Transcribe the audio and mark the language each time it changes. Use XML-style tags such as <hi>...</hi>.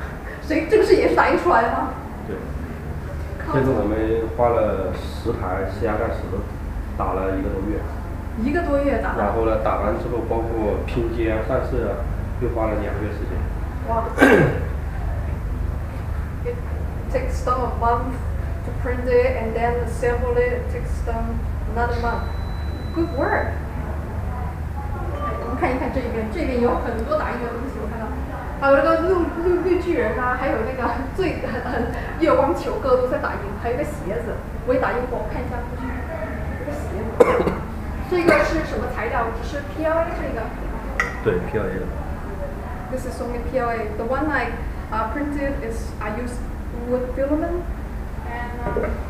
<zh>这是什么？CR-3040。CR-3040，你们好像还有一个5060对吧？对，更大的。后面还有一个暂时空间，可以看一下。然后有一个这里有个特大的龙珠，谁正式也反映出来吗？这次我们花了10台CR-10，打了一个多月。一个多月打。然后呢，打完之后，包括拼接、上色，又花了2个月时间。哇。</zh> <en>It takes them a month to print it and then assemble it. It takes them another month. Good work.</en> <zh>我们看一看这边，这边有很多打印的东西，我看到，还有那个绿巨人啊，还有那个最月光球哥都在打印，还有个鞋子，我也打印过，我看一下，这个鞋子，这个是什么材料？这是 PLA 这个？对，PLA 的。</zh> <en>This is only PLA. The one I printed is I use wood filament, and</en>